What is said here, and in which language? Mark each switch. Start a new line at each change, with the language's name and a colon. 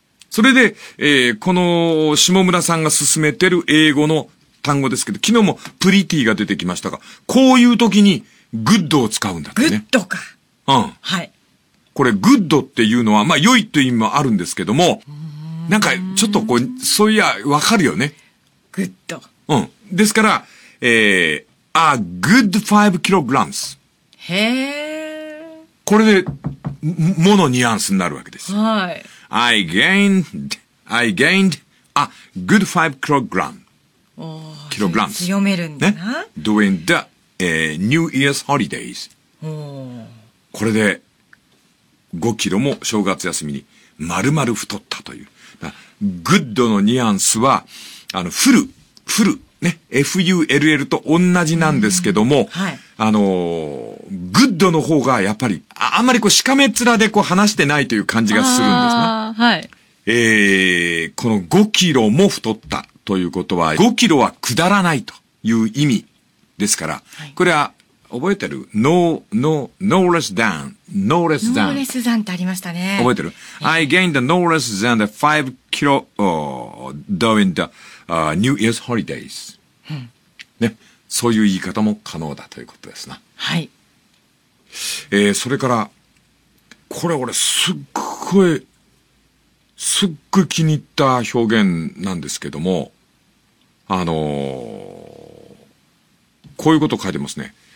Japanese: それで、この下村さんが進めてる英語の単語ですけど、昨日もプリティが出てきましたが、こういう時にグッドを使うんだってね。グッドか。うん。はい。これグッドっていうのは、まあ良いという意味もあるんですけども、なんかちょっとこう、そういや、わかるよね。グッド。うん。ですから、
English: a good 5 kilograms。
Japanese: へぇー。これで、ものニュアンスになるわけです。はい。
English: I gained a good 5 kilograms。 kilograms。
Japanese: 強めるんだな。ね、
English: during the、New Year's holidays。
Japanese: これで、5キロも正月休みに、まるまる太ったという。 good のニュアンスは、あの、フル、ね、FULL と同じなんですけども、はい、グッドの方が、やっぱり、あんまりこう、しかめ面でこう、話してないという感じがするんですね。はい。この5キロも太ったということは、5キロは下らないという意味ですから、はい、これは、覚えてる ?
English: no less than。 no less than
Japanese: ってありましたね。覚えてる、
English: I gained no less than the 5 kilo, during the,New Year's holidays、
Japanese: うん。ね。そういう言い方も可能だということですな。はい。それから、これ俺すっごい気に入った表現なんですけども、こういうこと書いてますね。